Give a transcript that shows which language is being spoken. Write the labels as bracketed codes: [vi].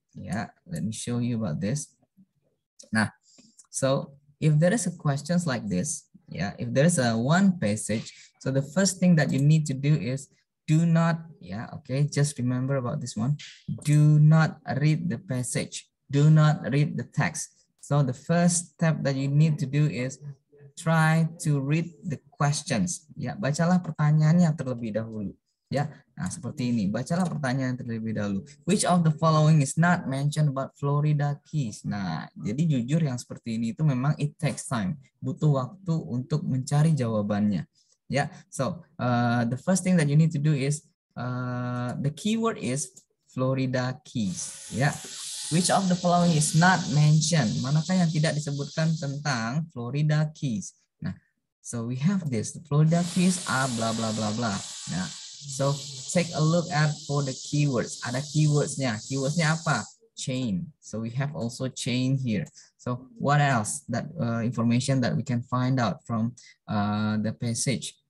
[en] Yeah, let me show you about this. Nah, so if there is a questions like this, yeah, if there is a one passage, so the first thing that you need to do is do not, yeah, okay, just remember about this one. Do not read the passage. Do not read the text. So the first step that you need to do is try to read the questions. [id] Ya, bacalah pertanyaannya terlebih dahulu. Ya, nah seperti ini. Bacalah pertanyaan terlebih dahulu. [en] Which of the following is not mentioned about Florida Keys? [id] Nah, jadi jujur yang seperti ini itu memang [en] it takes time. [id] Butuh waktu untuk mencari jawabannya. [en] Ya, so the first thing that you need to do is the keyword is Florida Keys. Ya. Which of the following is not mentioned? [id] Manakah yang tidak disebutkan tentang Florida Keys? [en] Nah, so we have this. The Florida Keys are blah, blah, blah, blah. Nah, so take a look at for the keywords. [id] Ada keywordsnya. Keywordsnya apa? [en] Chain. So we have also chain here. So what else? That information that we can find out from the passage.